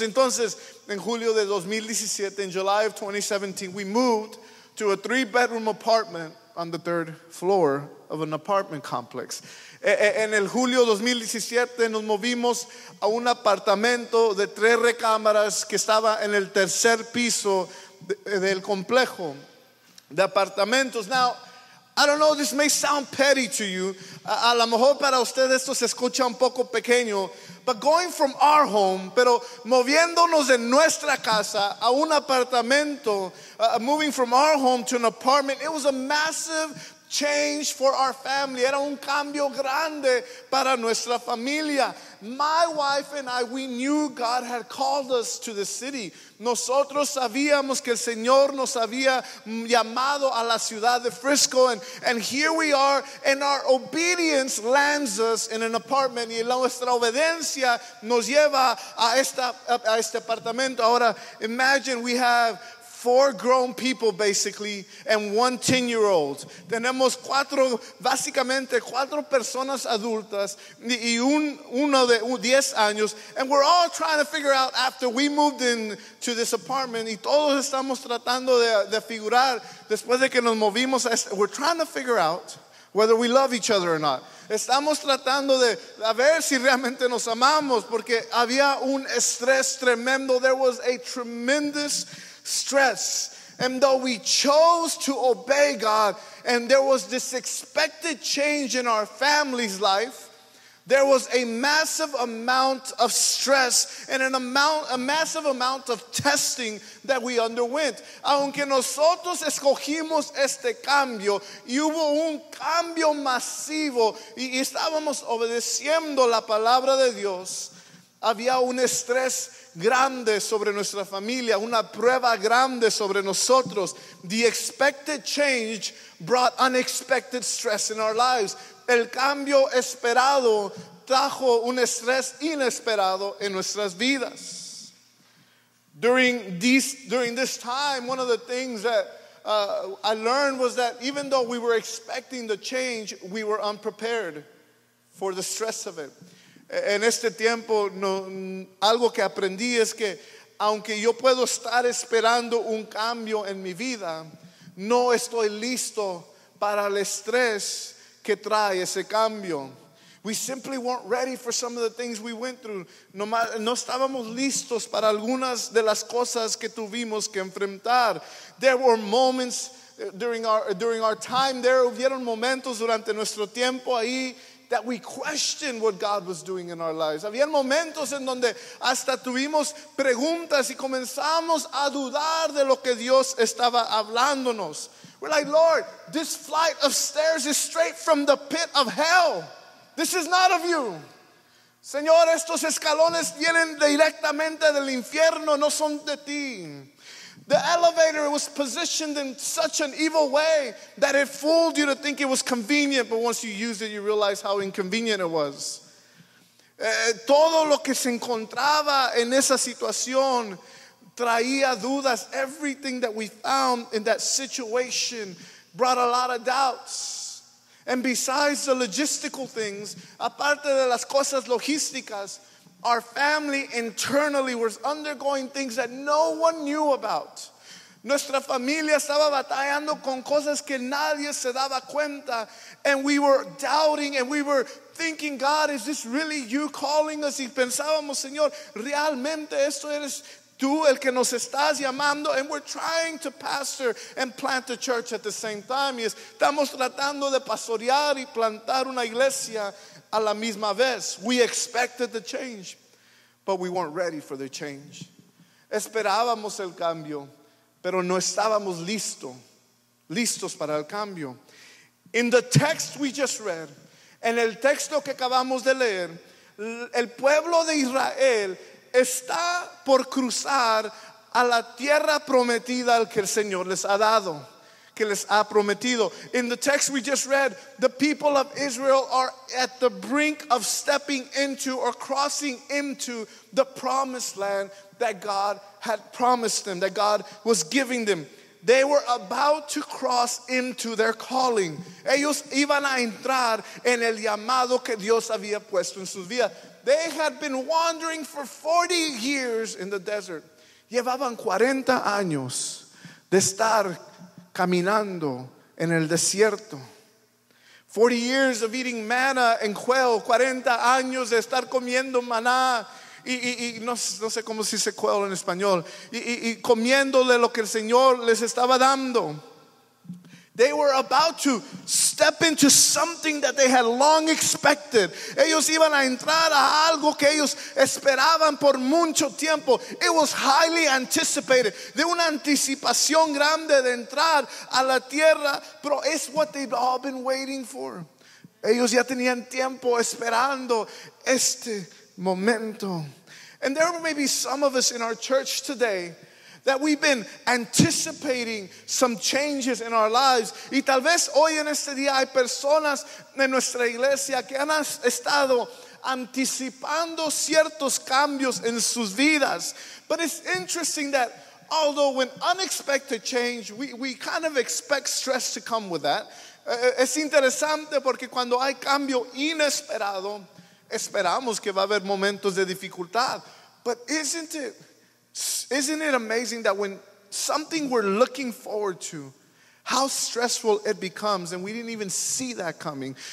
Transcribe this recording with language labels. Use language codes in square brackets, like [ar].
[es] Entonces, en julio de 2017, [en] in July of 2017, we moved to a 3-bedroom apartment on the 3rd floor of an apartment complex. [es] En el julio 2017 nos movimos a un apartamento de 3 recámaras que estaba en el tercer piso del complejo de apartamentos. [en] Now, I don't know, this may sound petty to you. [es] A lo mejor para usted esto se escucha un poco pequeño. [en] But going from our home, [es] pero moviéndonos de nuestra casa a un apartamento, [en] moving from our home to an apartment, it was a massive change for our family. [es] Era un cambio grande para nuestra familia. [en] My wife and I, we knew God had called us to the city. [es] Nosotros sabíamos que el Señor nos había llamado a la ciudad de Frisco. [en] And here we are, and our obedience lands us in an apartment. [es] Y nuestra obediencia nos lleva a este apartamento. Ahora, [en] imagine we have 4 grown people, basically, and 1 10-year-old. [es] Tenemos básicamente cuatro personas adultas y uno de 10 años. [en] And we're all trying to figure out after we moved in to this apartment, [es] y todos estamos tratando de figurar, después de que nos movimos, [en] we're trying to figure out whether we love each other or not. [es] Estamos tratando de a ver si realmente nos amamos, porque había un estrés tremendo. [en] There was a tremendous stress, and though we chose to obey God and there was this expected change in our family's life, there was a massive amount of stress and a massive amount of testing that we underwent. [es] Aunque nosotros escogimos este cambio, y hubo un cambio masivo y estábamos obedeciendo la palabra de Dios, había un estrés grande sobre nuestra familia, una prueba grande sobre nosotros. [en] The expected change brought unexpected stress in our lives. [es] El cambio esperado trajo un estrés inesperado en nuestras vidas. [en] During this time, one of the things that I learned was that even though we were expecting the change, we were unprepared for the stress of it. [es] En este tiempo, algo que aprendí es que aunque yo puedo estar esperando un cambio en mi vida, no estoy listo para el estrés que trae ese cambio. [en] We simply weren't ready for some of the things we went through. [es] No estábamos listos para algunas de las cosas que tuvimos que enfrentar. [en] There were moments during our time there, [es] hubieron momentos durante nuestro tiempo ahí [en] that we questioned what God was doing in our lives. [es] Había momentos en donde hasta tuvimos preguntas y comenzamos a dudar de lo que Dios estaba hablándonos. [en] We're like, Lord, this flight of stairs is straight from the pit of hell. This is not of you. [es] Señor, estos escalones vienen directamente del infierno, no son de ti. [en] The elevator was positioned in such an evil way that it fooled you to think it was convenient, but once you used it, you realize how inconvenient it was. [es] Todo lo que se encontraba en esa situación traía dudas. [en] Everything that we found in that situation brought a lot of doubts. And besides the logistical things, [es] aparte de las cosas logísticas, [en] our family internally was undergoing things that no one knew about. [es] Nuestra familia estaba batallando con cosas que nadie se daba cuenta. [en] And we were doubting and we were thinking, God, is this really you calling us? [es] Y pensábamos, Señor, ¿realmente esto eres tú el que nos estás llamando? [en] And we're trying to pastor and plant a church at the same time. [es] Y estamos tratando de pastorear y plantar una iglesia a la misma vez. [en] We expected the change, but we weren't ready for the change. [es] Esperábamos el cambio, pero no estábamos listos para el cambio. [en] In the text we just read, [es] en el texto que acabamos de leer, el pueblo de Israel está por cruzar a la tierra prometida al que el Señor les ha dado. Que les ha prometido. [en] In the text we just read, the people of Israel are at the brink of stepping into or crossing into the promised land that God had promised them, that God was giving them. They were about to cross into their calling. [es] Ellos iban a entrar en el llamado que Dios había puesto en sus vidas. [en] They had been wandering for 40 years in the desert. [es] Llevaban 40 años de estar caminando en el desierto. [en] 40 years of eating manna and quail. [es] 40 años de estar comiendo maná. Y no sé cómo se dice quail en español. Y comiendo de lo que el Señor les estaba dando. [en] They were about to step into something that they had long expected. [es] Ellos iban a entrar a algo que ellos esperaban por mucho tiempo. [en] It was highly anticipated. [es] De una anticipación grande de entrar a la tierra. Pero [en] it's what they've all been waiting for. [es] Ellos ya tenían tiempo esperando este momento. [en] And there may be some of us in our church today that we've been anticipating some changes in our lives. [es] Y tal vez hoy en este día hay personas en nuestra iglesia que han estado anticipando ciertos cambios en sus vidas. [en] But it's interesting that although when unexpected change, we kind of expect stress to come with that. [es] Es interesante porque cuando hay cambio inesperado, esperamos que va a haber momentos de dificultad. [en] But isn't it amazing that when something we're looking forward to, how stressful it becomes, and we didn't even see that coming.